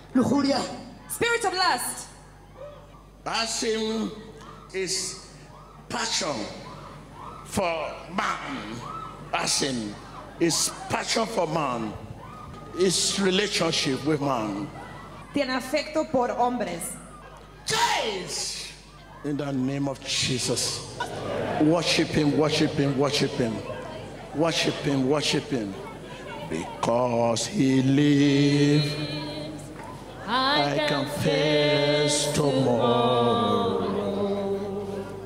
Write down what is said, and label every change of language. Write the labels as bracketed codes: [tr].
[es] Lujuria. [en] Spirit of lust. Passion is passion for man. Passion is passion for man. It's relationship with man. [es] Tiene afecto por hombres. [en] Jesus! In the name of Jesus. Worship Him, worship Him, worship Him. Worship Him, worship Him. Because He lives, I can face tomorrow.